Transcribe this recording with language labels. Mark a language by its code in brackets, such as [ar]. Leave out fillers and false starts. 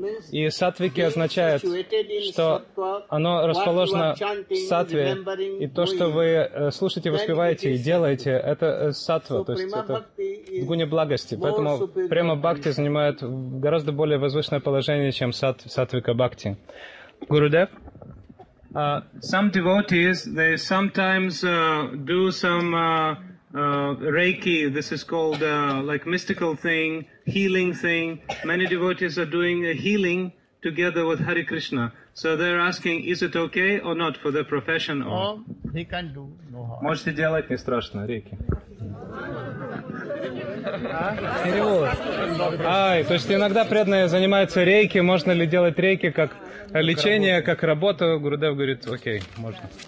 [ru] И сатвики означает, что оно расположено в сатве, и то, что вы слушаете, воспеваете и делаете, это сатва, то есть это в гуне благости. Поэтому према-бхакти занимает гораздо более возвышенное положение, чем сатвика-бхакти. Гурудев? [en] Some devotees, they sometimes do some reiki, this is called like mystical thing, healing thing. Many devotees are doing a healing together with Hare Krishna. So they're asking, is it okay or not for their profession? [ru] Можете делать, не страшно, реки. Перевод. Ай, то есть иногда преданные занимаются рейки, можно ли делать рейки как лечение, как работу? Гурудев говорит, окей, можно.